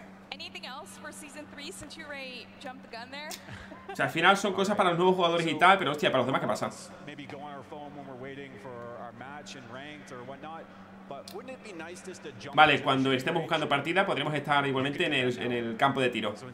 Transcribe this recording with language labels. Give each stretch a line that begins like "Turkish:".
English: Anything else for season 3 since you already jumped the gun there?
Spanish: O sea, al final son cosas para los nuevos jugadores y tal, pero hostia, para los demás qué pasa?
English: Maybe go on our phone when we're waiting for our match and ranked or whatnot.
Spanish: Vale, cuando estemos buscando partida, podremos estar igualmente en el campo de tiro.